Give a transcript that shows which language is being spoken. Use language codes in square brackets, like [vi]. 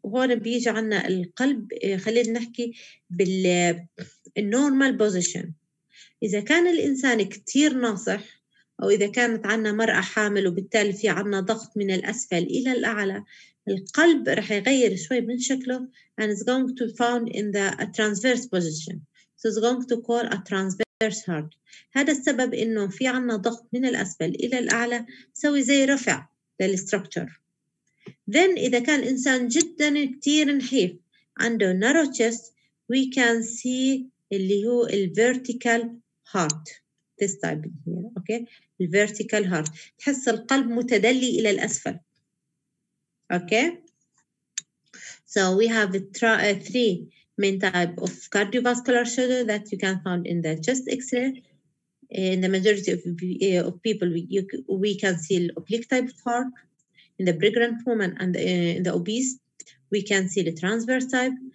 [ar] وهون بيجي عنا القلب خلينا نحكي بالnormal position. إذا كان الإنسان كتير ناصح أو إذا كانت عنا مرأة حامل وبالتالي في عنا ضغط من الأسفل إلى الأعلى، القلب رح يغير شوي من شكله [en] and it's going to found in the a transverse position. So it's going to call a transverse heart. [ar] هذا السبب إنه في عنا ضغط من الأسفل إلى الأعلى سوي زي رفع للستركتور. [en] Then [ar] إذا كان إنسان جداً كتير نحيف عنده [en] narrow chest, we can see [ar] اللي هو [en] vertical heart. This type here, okay? The vertical heart. [ar] تحس القلب متدلي إلى الأسفل. [en] Okay? So we have three main types of cardiovascular shadow that you can find in the chest X-ray. In the majority of people, we can see the oblique type of heart. In the pregnant woman and in the obese, we can see the transverse type.